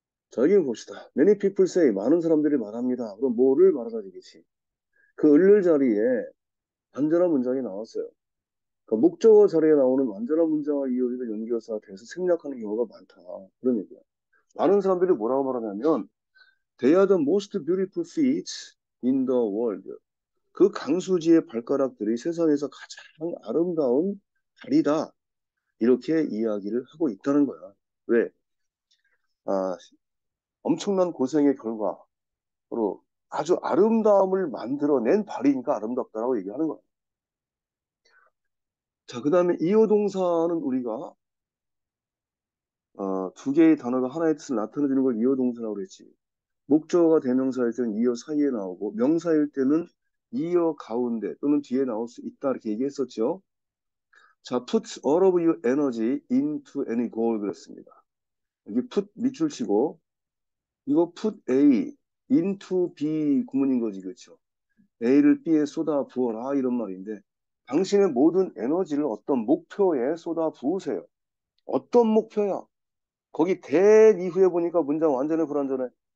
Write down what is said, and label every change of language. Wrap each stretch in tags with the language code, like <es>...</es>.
<ko>자, 여기 봅시다.</ko> <en>many people say,</en> <ko>많은 사람들이 말합니다. 그럼 뭐를 말하다 되겠지? 그 을을 자리에 완전한 문장이 나왔어요. 그러니까 목적어 자리에 나오는 완전한 문장을 이어주는 연결사가 돼서 생략하는 경우가 많다. 그런 얘기야. 많은 사람들이 뭐라고 말하냐면,</ko> <en>They are the most beautiful feet in the world.</en> <ko>그 강수지의 발가락들이 세상에서 가장 아름다운 다리다. 이렇게 이야기를 하고 있다는 거야. 왜? 엄청난 고생의 결과로 아주 아름다움을 만들어낸 발이니까 아름답다라고 얘기하는 거야. 자, 그 다음에 이어 동사는 우리가, 두 개의 단어가 하나의 뜻을 나타내주는 걸 이어 동사라고 그랬지. 목적어가 대명사일 때는 이어 사이에 나오고, 명사일 때는 이어 가운데 또는 뒤에 나올 수 있다. 이렇게 얘기했었죠.</ko> <en>자, put all of your energy into any goal</en> <ko>그랬습니다. 여기 put 밑줄 치고, 이거 put A. into be 구문인 거지, 그렇죠? A를 B에 쏟아 부어라, 이런 말인데, 당신의 모든 에너지를 어떤 목표에 쏟아 부으세요. 어떤 목표야? 거기 that 이후에 보니까 문장 완전히 불완전해.</ko>